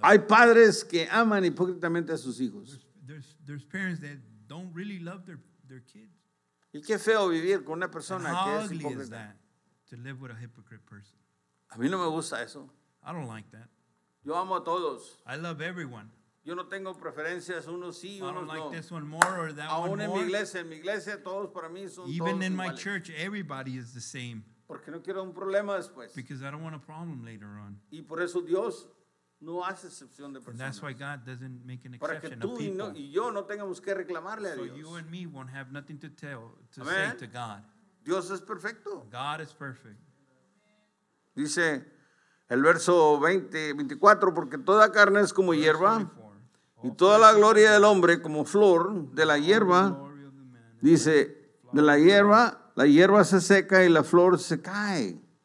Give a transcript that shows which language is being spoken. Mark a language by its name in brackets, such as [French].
[Spanish] Hay padres que aman hipócritamente a sus hijos. [English] There's parents that don't really love their kids. [Spanish] Y qué feo vivir con una persona que es hipócrita. [English] How ugly is that to live with a hypocrite person? [Spanish] A mí no me gusta eso. [English] I don't like that. [Spanish] Yo amo a todos. [English] I love everyone. [Spanish] Yo no tengo preferencias, unos sí, unos no. [English] I don't like this one more or that one more. [Spanish] Aún en mi iglesia, todos para mí son todos iguales. [English] Even in my church, everybody is the same. [Spanish] Porque no quiero un problema después. [English] Because I don't want a problem later on. [Spanish] Y por eso Dios no hace excepción de personas. [English] And that's why God doesn't make an exception of people. [Spanish] Para que tú y yo no tengamos que reclamarle a Dios. [English] So you and me won't have nothing to say to God. [Spanish] Dios es perfecto. [English] God is perfect. [Spanish] Dice el verso 24, porque toda carne es como hierba. Y toda la gloria del hombre como flor de la hierba, dice, de la hierba se seca y la flor se cae.